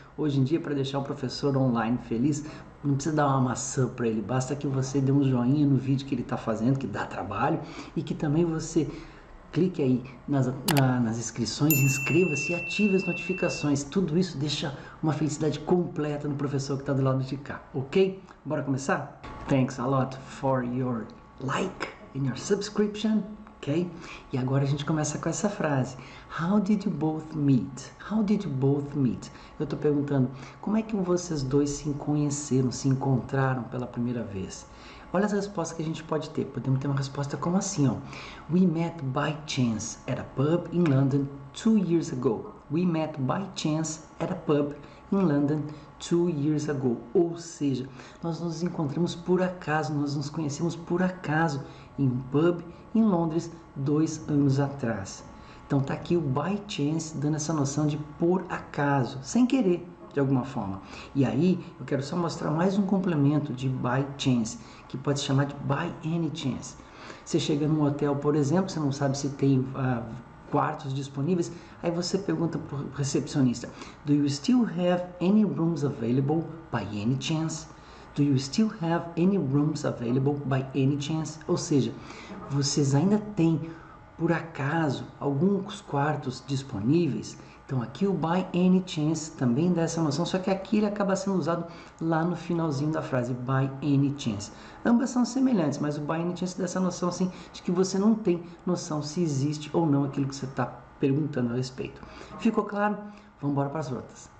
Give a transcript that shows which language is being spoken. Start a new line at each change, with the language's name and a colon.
Portuguese: Hoje em dia, para deixar o professor online feliz, não precisa dar uma maçã para ele. Basta que você dê um joinha no vídeo que ele está fazendo, que dá trabalho, e que também você clique aí nas inscrições, inscreva-se e ative as notificações. Tudo isso deixa uma felicidade completa no professor que está do lado de cá, ok? Bora começar?
English: Thanks a lot for your like and your subscription, ok?
Portuguese: E agora a gente começa com essa frase.
English: How did you both meet? How did you both meet?
Portuguese: Eu estou perguntando, como é que vocês dois se conheceram, se encontraram pela primeira vez? Olha as respostas que a gente pode ter. Podemos ter uma resposta como assim, ó.
English: We met by chance at a pub in London 2 years ago. We met by chance at a pub in London 2 years ago.
Portuguese: Ou seja, nós nos encontramos por acaso, nós nos conhecemos por acaso em um pub em Londres 2 anos atrás. Então tá aqui o by chance dando essa noção de por acaso, sem querer. De alguma forma. E aí, eu quero só mostrar mais um complemento de by chance, que pode se chamar de by any chance. Você chega num hotel, por exemplo, você não sabe se tem quartos disponíveis, aí você pergunta para o recepcionista:
English: Do you still have any rooms available by any chance? Do you still have any rooms available by any chance?
Portuguese: Ou seja, vocês ainda têm, por acaso, alguns quartos disponíveis? Então aqui o by any chance também dá essa noção, só que aqui ele acaba sendo usado lá no finalzinho da frase by any chance. Ambas são semelhantes, mas o by any chance dá essa noção assim de que você não tem noção se existe ou não aquilo que você está perguntando a respeito. Ficou claro? Vamos embora para as outras.